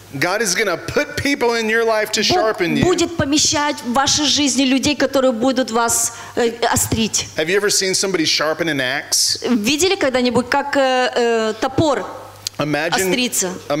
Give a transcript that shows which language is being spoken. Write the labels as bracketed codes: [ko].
[en] God is going to put people in your life to sharpen you. [ru] Бог будет помещать в вашей жизни людей, которые будут вас острить. [en] Have you ever seen somebody sharpen an axe? [ru] Видели когда-нибудь, как топор острится?